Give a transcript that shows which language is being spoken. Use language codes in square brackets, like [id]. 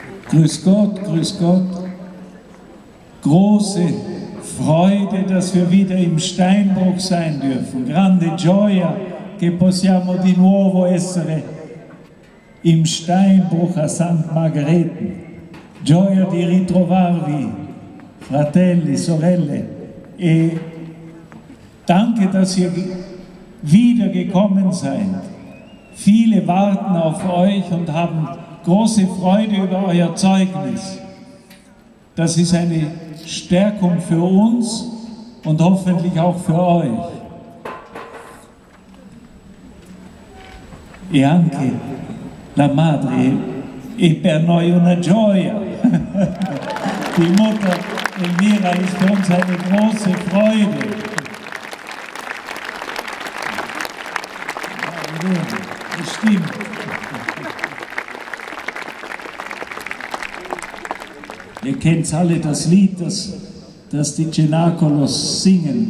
[de] Grüß Gott, große Freude, dass wir wieder im Steinbruch sein dürfen. [it] Grande gioia, che possiamo di nuovo essere [de] im Steinbruch [it] a Santa Margherita. Gioia di ritrovarvi, fratelli, sorelle. [de] E danke, dass ihr wiedergekommen seid. Viele warten auf euch und haben große Freude über euer Zeugnis. Das ist eine Stärkung für uns und hoffentlich auch für euch. [it] E anche la madre è per noi una gioia. [de] Die Mutter Elvira ist für uns eine große Freude. Das stimmt. Ihr kennt alle das Lied, das die Cenacolos singen.